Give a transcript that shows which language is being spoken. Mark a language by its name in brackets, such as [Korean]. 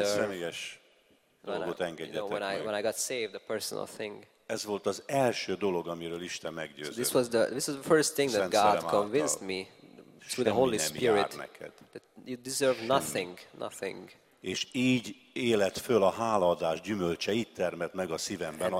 [Hungarian] egy személyes dolgot engedjetek [English] you know, [Hungarian] meg. [English] When I got saved, a personal thing. [Hungarian] Ez volt az első dolog, amiről Isten meggyőzött. [English] So this was the first thing that God convinced me through the Holy Spirit that you deserve nothing. [Hungarian] És így élet föl a hálaadás gyümölcse, itt termett meg a szívemben.